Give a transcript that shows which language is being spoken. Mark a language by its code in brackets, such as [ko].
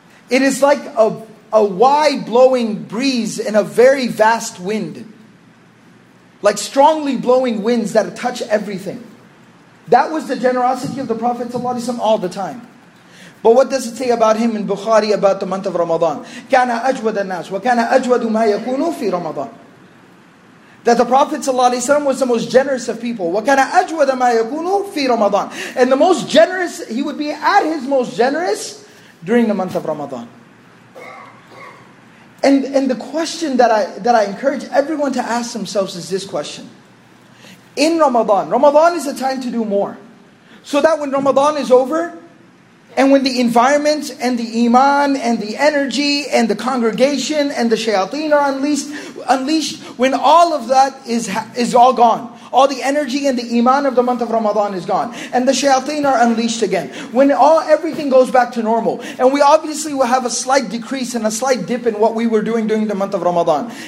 [en] It is like a wide blowing breeze in a very vast wind. Like strongly blowing winds that touch everything. That was the generosity of the Prophet sallallahu alaihi wasallam all the time. But what does it say about him in Bukhari about the month of Ramadan? [ar] كان أجود الناس وكان أجود ما يكون في رمضان. [en] That the Prophet ﷺ was the most generous of people. [ar] وكان أجود ما يكون في رمضان. [en] And the most generous, he would be at his most generous during the month of Ramadan. And the question that I encourage everyone to ask themselves is this question. In Ramadan, Ramadan is a time to do more. So that when Ramadan is over, and when the environment and the iman and the energy and the congregation and the shayateen are unleashed, when all of that is all gone, all the energy and the iman of the month of Ramadan is gone, and the shayateen are unleashed again, when everything goes back to normal, and we obviously will have a slight decrease and a slight dip in what we were doing during the month of Ramadan.